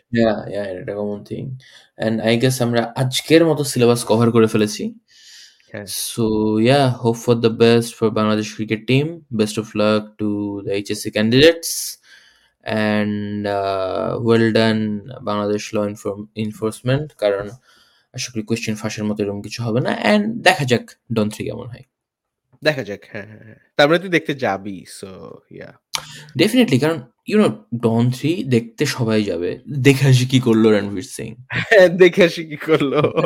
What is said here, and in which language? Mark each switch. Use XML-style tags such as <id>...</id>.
<bn>ইয়া ইয়া, এটা common theme,</bn> <en>and I guess</en> <bn>আমরা আজকের মতো সিলেবাস কভার করে ফেলেছি,</bn> <en>So yeah, hope for the best for Bangladesh cricket team. Best of luck to the HSC candidates, and well done Bangladesh law enforcement.</en> <bn>Karon আশা করি question ফাঁসের মতো এরকম কিছু হবে না, এন্ড দেখা যাক ডন থ্রি কেমন হয়, দেখা যাক। হ্যাঁ হ্যাঁ, তারপরে তুই দেখতে যাবি,</bn> <en>so yeah</en> <bn>ডেফিনেটলি, কারণ</bn> <en>you know</en> <bn>ডন থ্রি দেখতে সবাই যাবে, দেখে আসি কি করলো রণবীর সিং, দেখে আসি কি করলো</bn>